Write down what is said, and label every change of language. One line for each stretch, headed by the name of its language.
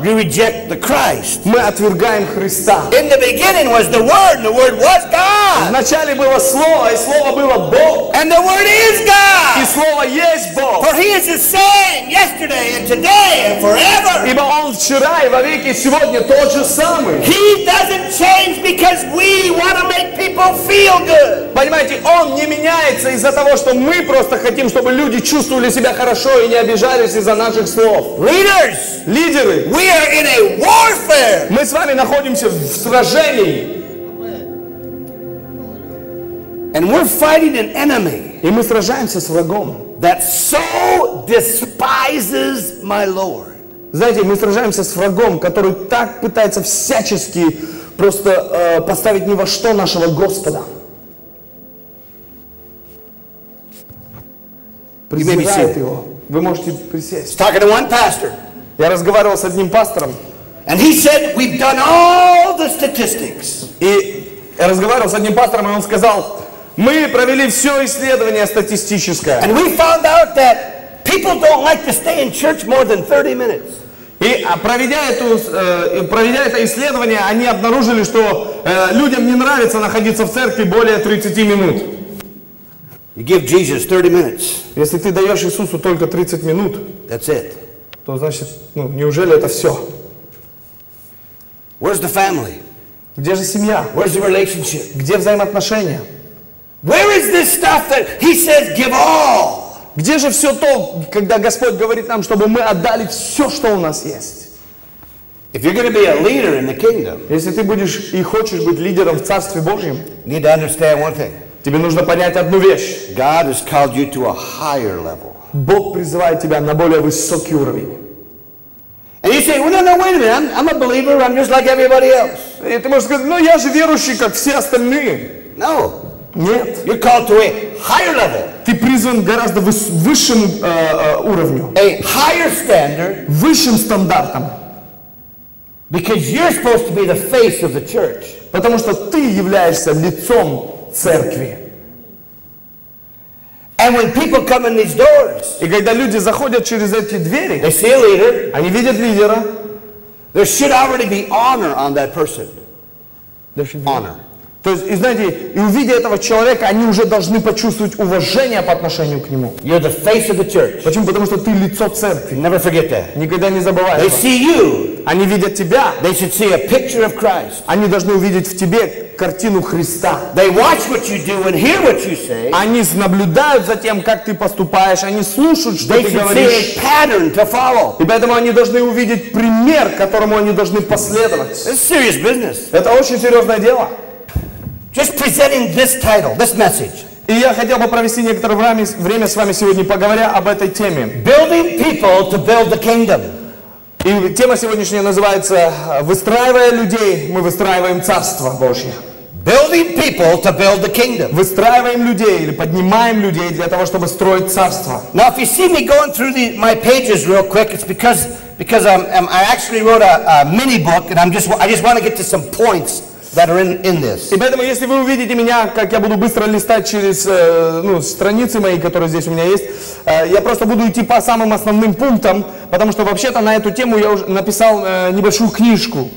English: we reject the Christ.
Russian: Мы отвергаем Христа.
English: In the beginning was the word, and the word was God.
Russian: Вначале было слово, и слово было Бог.
English: And the word is God.
Russian: И слово есть Бог.
English: For he is the same yesterday and today and forever.
Russian: Ибо он вчера и вовеки, и сегодня тот же самый.
English: He doesn't change because we want to make people feel good.
Russian: Понимаете, он не меняется из-за того, что мы просто хотим, чтобы люди чувствовали себя хорошо и не обижались из-за наших слов.
English: Leaders,
Russian: лидеры,
English: we are in a warfare.
Russian: Мы с вами находимся в сражении.
English: And we're fighting an enemy.
Russian: И мы сражаемся с врагом.
English: That so despises my Lord.
Russian: Знаете, мы сражаемся с врагом, который так пытается всячески просто поставить ни во что нашего Господа. Призывает его. Вы можете присесть.
English: Talking to one pastor.
Russian: Я разговаривал с одним пастором.
English: And he said, we've done all the statistics.
Russian: И я разговаривал с одним пастором, и он сказал, мы провели все исследование статистическое.
English: And we found out that people don't like to stay in church more than 30 minutes.
Russian: И проведя это исследование, они обнаружили, что людям не нравится находиться в церкви более 30 минут.
English: You give Jesus 30 minutes.
Russian: Если ты даешь Иисусу только 30 минут,
English: that's it.
Russian: То значит, ну, неужели это все?
English: Where's the family?
Russian: Где же семья?
English: Where's the relationship?
Russian: Где взаимоотношения?
English: Where is this stuff that he says give all?
Russian: Где же все то, когда Господь говорит нам, чтобы мы отдали все, что у нас есть?
English: If you're going to be a leader in the kingdom,
Russian: если ты будешь и хочешь быть лидером в Царстве Божьем,
English: you need to understand one thing.
Russian: Тебе нужно понять одну вещь.
English: God has called you to a higher level.
Russian: Бог призывает тебя на более высокий уровень.
English: And you say, well, no, wait a minute, I'm a believer, I'm just like everybody else.
Russian: И ты можешь сказать, ну я же верующий, как все остальные.
English: No.
Russian: Нет.
English: You're called to a higher level.
Russian: Ты призван гораздо высшим уровню.
English: A higher standard.
Russian: Высшим стандартом.
English: Because you're supposed to be the face of the church.
Russian: Потому что ты являешься лицом церкви.
English: And when people come in these doors,
Russian: и когда люди заходят через эти двери,
English: they see a leader,
Russian: они видят лидера,
English: there should already be honor on that person. There should be honor.
Russian: То есть, и знаете, и увидя этого человека, они уже должны почувствовать уважение по отношению к нему.
English: You're the face of the church.
Russian: Почему? Потому что ты лицо церкви.
English: Never forget that.
Russian: Никогда не забывай.
English: They see you.
Russian: Они видят тебя.
English: They should see a picture of Christ.
Russian: Они должны увидеть в тебе картину Христа.
English: They watch what you do and hear what you say.
Russian: Они наблюдают за тем, как ты поступаешь. Они слушают, что
English: they
Russian: ты говоришь.
English: See a pattern to follow.
Russian: И поэтому они должны увидеть пример, которому они должны последовать.
English: It's serious business.
Russian: Это очень серьезное дело.
English: Just presenting this title, this message.
Russian: И я хотел бы провести некоторое время с вами сегодня, поговоря об этой теме.
English: Building people to build the kingdom.
Russian: И тема сегодняшняя называется «Выстраивая людей, мы выстраиваем Царство Божье».
English: Building people to build the kingdom.
Russian: Выстраиваем людей или поднимаем людей для того, чтобы строить царство.
English: Now, if you see me going through my pages real quick, it's because I actually wrote a mini book, and I just want to get to some points that are in this.
Russian: И поэтому, если вы увидите меня, как я буду быстро листать через страницы мои, которые здесь у меня есть, я просто буду идти по самым основным пунктам, потому что вообще-то на эту тему я уже написал небольшую книжку.